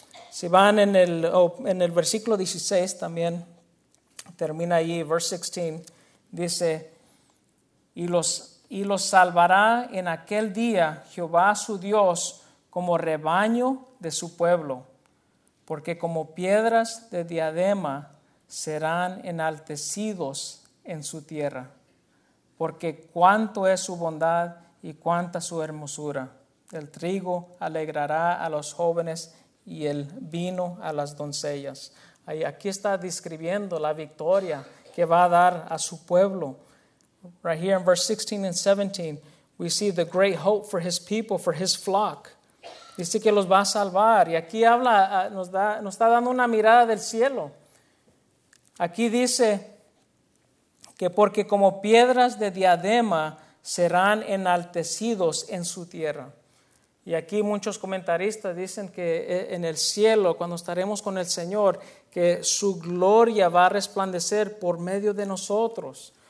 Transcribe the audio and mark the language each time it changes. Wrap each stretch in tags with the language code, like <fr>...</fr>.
<es>Si van en el versículo 16, también termina allí,</es> <en>verse 16,</en> <es>dice, y los salvará en aquel día Jehová su Dios como rebaño de su pueblo, porque como piedras de diadema serán enaltecidos en su tierra, porque cuánto es su bondad y cuánta su hermosura. El trigo alegrará a los jóvenes y el vino a las doncellas. Aquí está describiendo la victoria que va a dar a su pueblo.</es> <en>Right here in verse 16 and 17, we see the great hope for his people, for his flock.</en> <es>Dice que los va a salvar. Y aquí habla, nos está dando una mirada del cielo. Aquí dice que porque como piedras de diadema serán enaltecidos en su tierra. Y aquí muchos comentaristas dicen que en el cielo, cuando estaremos con el Señor, que su gloria va a resplandecer por medio de nosotros.</es>